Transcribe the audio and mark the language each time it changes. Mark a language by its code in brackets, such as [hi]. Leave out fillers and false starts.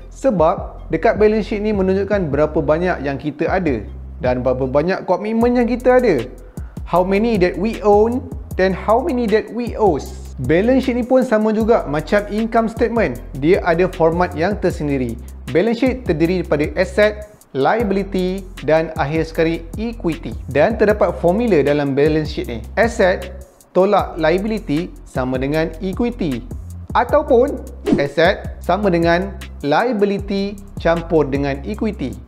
[ms] Sebab dekat balance sheet ni menunjukkan berapa banyak yang kita ada. Dan berapa banyak komitmen yang kita ada. [en] How many that we own, then how many that we owes. [ms] Balance sheet ni pun sama juga macam income statement. Dia ada format yang tersendiri. Balance sheet terdiri daripada aset, liability dan akhir sekali equity. Dan terdapat formula dalam balance sheet ni. Aset tolak liability sama dengan equity. Ataupun aset sama dengan liability campur dengan equity.